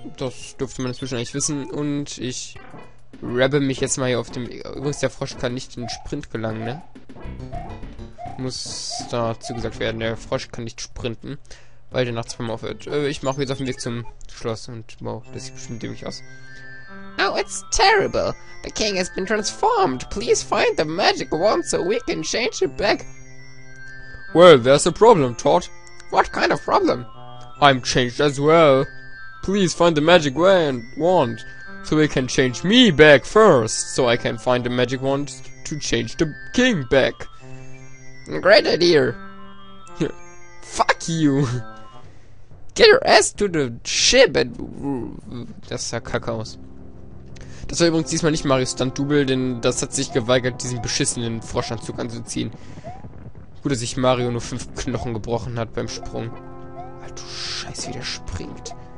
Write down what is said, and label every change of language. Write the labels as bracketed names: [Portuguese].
[German] Das dürfte man inzwischen eigentlich wissen. Und ich rappe mich jetzt mal hier auf dem... Übrigens, der Frosch kann nicht in den Sprint gelangen, ne? Muss dazu gesagt werden, der Frosch kann nicht sprinten, weil der nachts beim aufhört. Ich mache jetzt auf dem Weg zum Schloss und wow, das sieht bestimmt dämlich aus. [English] Oh, it's terrible. The king has been transformed. Please find the magic wand so we can change it back. Well, there's a problem, Todd. What kind of problem? I'm changed as well. Please find the magic wand so we can change me back first, so I can find the magic wand to change the king back. Great idea. Fuck you. Get your ass to the ship and... [German] Das sah kacke aus. Das war übrigens diesmal nicht Mario Stunt Double, denn das hat sich geweigert, diesen beschissenen Froschanzug anzuziehen. Gut, dass sich Mario nur 5 Knochen gebrochen hat beim Sprung. Alter Scheiße, wie der springt.